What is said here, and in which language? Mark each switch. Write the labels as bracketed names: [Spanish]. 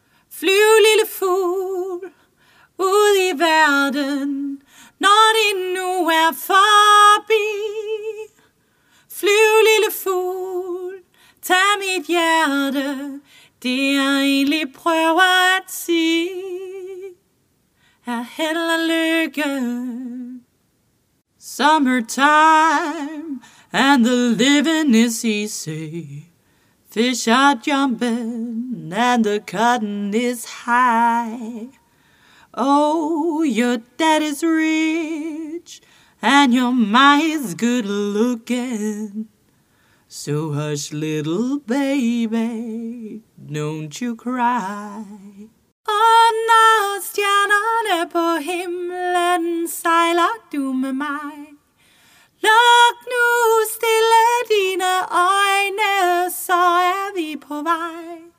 [Danish] Flyv, lille fugl, ud i verden, når det nu er forbi. Flyv, lille fugl, tag mit hjerte, det jeg egentlig prøver at sige. Er held og lykke. [English] Summertime, and the living is easy. Fish are jumping and the cotton is high. Oh, your dad is rich and your ma is good looking. So hush, little baby, don't you cry. [Danish] Og når stjernerne på himlen sejler du med mig. Luk nu stille dine øjne, så er vi på vej.